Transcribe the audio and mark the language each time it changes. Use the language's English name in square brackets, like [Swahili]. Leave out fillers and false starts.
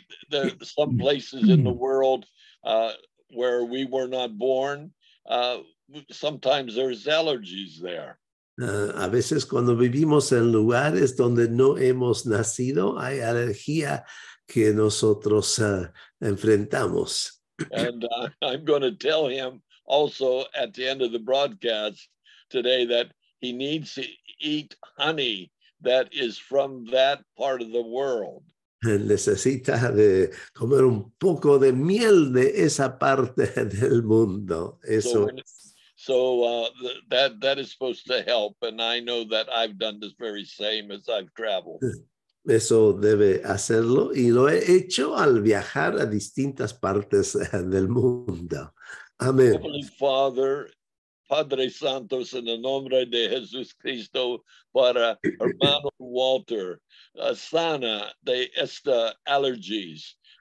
[English] There are some places in the world where we were not born. Sometimes there's allergies there. [Spanish] A veces cuando vivimos en lugares donde no hemos nacido, hay alergia que nosotros enfrentamos. [English] And I'm going to tell him also at the end of the broadcast today that he needs to eat honey that is from that part of the world. [Spanish] Necesita de comer un poco de miel de esa parte del mundo. Eso. [English] So that is supposed to help, and I know that I've done this very same as I've traveled. [Spanish] Eso debe hacerlo y lo he hecho al viajar a distintas partes del mundo. Amén. [English] Holy Father, [Spanish] Padre Santos, en el nombre de Jesucristo, para hermano Walter, sana de estas alergias.